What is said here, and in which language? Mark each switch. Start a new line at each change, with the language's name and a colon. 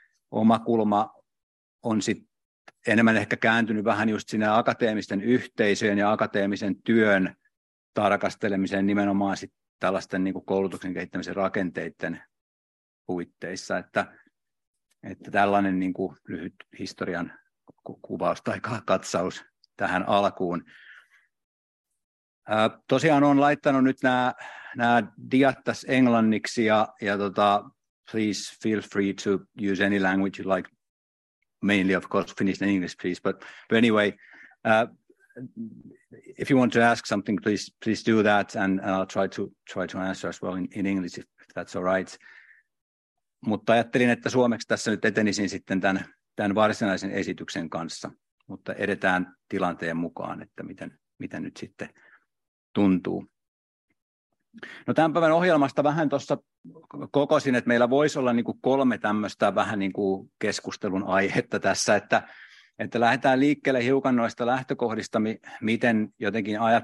Finnish: oma kulma on sitten enemmän ehkä kääntynyt vähän just sinne akateemisten yhteisöjen ja akateemisen työn tarkastelemiseen nimenomaan sitten tällaisten niin kuin koulutuksen kehittämisen rakenteiden puitteissa, että tällainen niin kuin lyhyt historian kuvaus tai katsaus tähän alkuun. Tosiaan olen laittanut nyt nämä diat tässä englanniksi ja
English: please feel free to use any language you like, mainly of course Finnish and English please, but anyway, if you want to ask something please do that and I'll try to answer as well in English if that's all right.
Finnish: Mutta ajattelin, että suomeksi tässä nyt etenisin sitten tämän varsinaisen esityksen kanssa, mutta edetään tilanteen mukaan, että miten nyt sitten tuntuu. No, tämän päivän ohjelmasta vähän tuossa kokosin, että meillä voisi olla niin kuin kolme tämmöistä vähän niin kuin keskustelun aihetta tässä, että lähdetään liikkeelle hiukan noista lähtökohdista, miten jotenkin